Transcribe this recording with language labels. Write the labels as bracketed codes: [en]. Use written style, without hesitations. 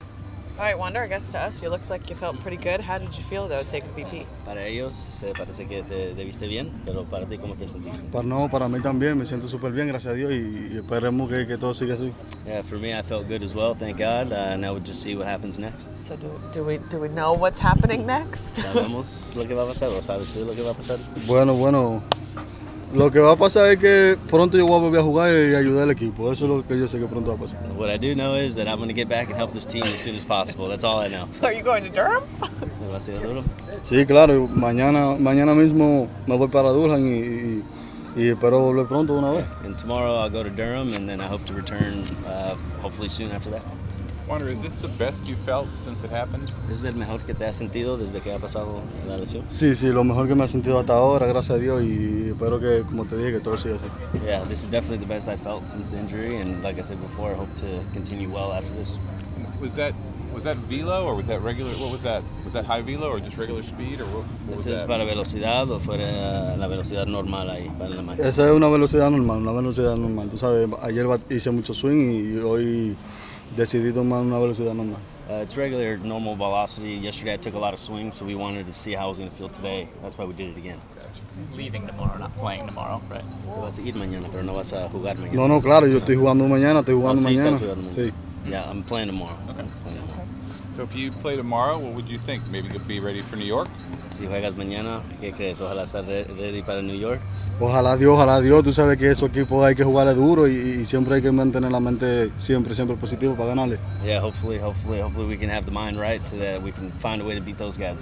[en] All right, Wander, I guess to us, you looked like you felt pretty good. How did you feel, though, taking BP? [es] Para ellos, se parece que te viste bien, pero para ti, ¿cómo te sentiste? No, para mí también, me siento súper bien, gracias a Dios, y esperemos que todo siga así. [en] Yeah, for me, I felt good as well, thank God, and now we'll just see what happens next. So do we know what's happening next? [es] Sabemos lo que va a pasar, ¿o sabes tú lo que va a pasar? Bueno, lo que va a pasar es que pronto yo voy a volver a jugar y ayudar al equipo. Eso es lo que yo sé que pronto va a pasar. [en] What I do know is that I'm going to get back and help this team as soon as possible. That's all I know. Are you going to Durham? [es] ¿Vas a ir a Durham? Sí, claro. Mañana mismo me voy para Durham y espero volver pronto una vez. [en] And tomorrow I'll go to Durham and then I hope to return hopefully soon after that. Wonder, is this the best you felt since it happened? [es] ¿Es el mejor que te has sentido desde que ha pasado la lesión? Sí, lo mejor que me ha sentido hasta ahora, gracias a Dios, y espero que, como te dije, que todo siga así. [en] Yeah, this is definitely the best I felt since the injury, and like I said before, I hope to continue well after this. Was that velo, or was that regular, what was that? Was that high velo, or just regular speed, or what was that? [es] ¿Para velocidad o fuera la velocidad normal ahí, para la máquina? Esa es una velocidad normal. Tú sabes, ayer hice mucho swing y hoy... [en] It's regular, normal velocity. Yesterday I took a lot of swings, so we wanted to see how it was going to feel today. That's why we did it again. Leaving tomorrow, not playing tomorrow, right? [es] Tú vas a ir mañana, pero no vas a jugar mañana. No, claro, yo estoy jugando mañana, estoy jugando mañana. [en] Sí. Yeah, I'm playing tomorrow. Okay. So if you play tomorrow, what would you think? Maybe you'll be ready for New York? [es] Si juegas mañana, ¿qué crees? Ojalá estar ready para New York. Ojalá Dios, tú sabes que esos equipos hay que jugarle duro y siempre hay que mantener la mente siempre positivo para ganarle. [en] Yeah, hopefully we can have the mind right so that we can find a way to beat those guys.